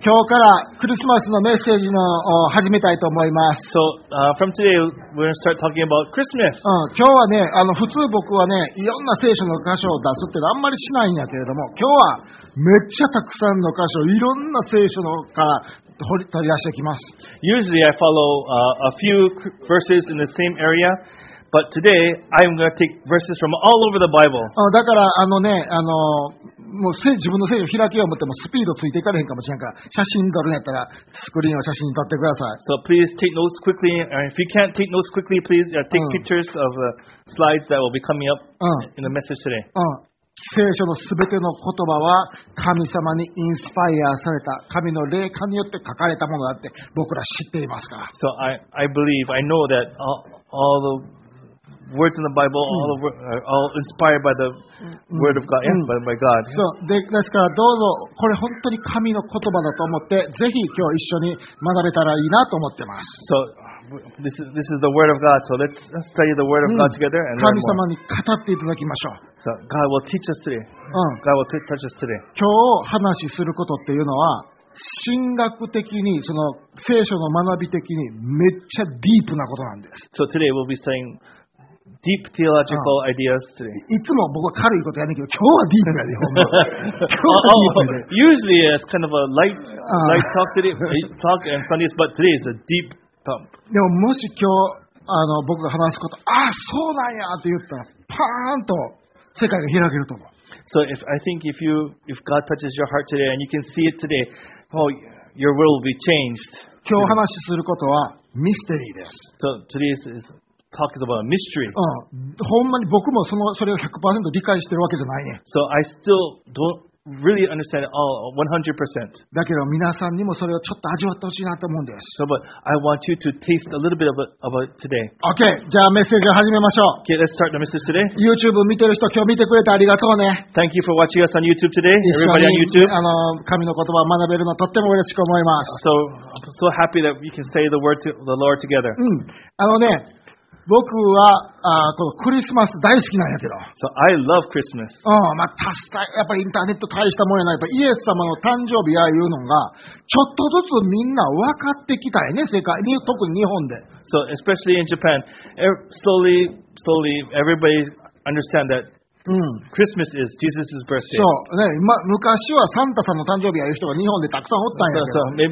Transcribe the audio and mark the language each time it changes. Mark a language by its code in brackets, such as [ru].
[ja] 今日からクリスマスのメッセージの始めたいと思います。 [en] So, from today, we're going to start talking about Christmas. [ja] 今日はね、普通僕はね、いろんな聖書の箇所を出すってあんまりしないんやけれども、今日はめっちゃたくさんの箇所、いろんな聖書のから取り出してきます。 [en] Usually, I follow a few verses in the same area. But today, I'm going to take verses from all over the Bible. [ja] だから、もう自分の聖書を開けようと思ってもスピードついていかれへんかもしれんから、写真撮るんやったら、スクリーンを写真に撮ってください。 [en] So please take notes quickly, and if you can't take notes quickly, please take pictures of the slides that will be coming up in the message today. [ja] 聖書のすべての言葉は神様にインスパイアされた神の霊感によって書かれたものだって僕ら知っていますから。 [en] So I believe, I know that all theWords in the Bible all inspired by the word of God inspired by God. [ja] So, ですからどうぞこれ本当に神の言葉だと思ってぜひ今日一緒に学べたらいいなと思ってます。 [en] So this is the word of God. So let's study the word of God together and learn more. [ja] 神様に語っていただきましょう。 [en] So God will teach us today. God will touch us today. [ja] 今日話しすることっていうのは神学的にその聖書の学び的にめっちゃディープなことなんです。 [en] So today we'll be studying. Deep theological ideas today. [ja] いつも僕は軽いことやねんけど、今日はディープやで、ほんま。今日はディープで。 [en] Usually it's kind of a light talk today, talk and Sundays, but today is a deep thump. [ja] でももし今日僕が話すこと、ああそうなんやって言ったら、パーンと世界が開けると思う。 [en] So if I think if God touches your heart today and you can see it today, oh, your world will be changed. [ja] 今日話しすることはミステリーです。 [en] So today is Talk is about a mystery. [ja] ほんまに僕もそれを 100% 理解してるわけじゃないね。 [en] So I still don't really understand it all 100%. [ja] だけど皆さんにもそれをちょっと味わってほしいなと思うんです。 [en] So, but I want you to taste a little bit of it today. [ja] Okay, じゃあメッセージを始めましょう。 [en] Okay, let's start the message today. [ja] YouTube 見てる人、今日見てくれてありがとうね。 [en] Thank you for watching us on YouTube today. Everybody on YouTube. [ja] 神の言葉を学べるのとっても嬉しく思います。 [en] So, so happy that we can say the word to the Lord together. [ja] ね僕はこのクリスマス大好きなんやけど。 [en] So I love Christmas. [ja] まあ、やっぱりインターネット大したもんやな。やっぱイエス様の誕生日やいうのがちょっとずつみんな分かってきたよね。世界に特に日本で。 [en] So especially in Japan, slowly everybody understand that Christmas is Jesus's birthday. [ja] そうね、昔はサンタさんの誕生日やいう人が日本でたくさんおったんやけど。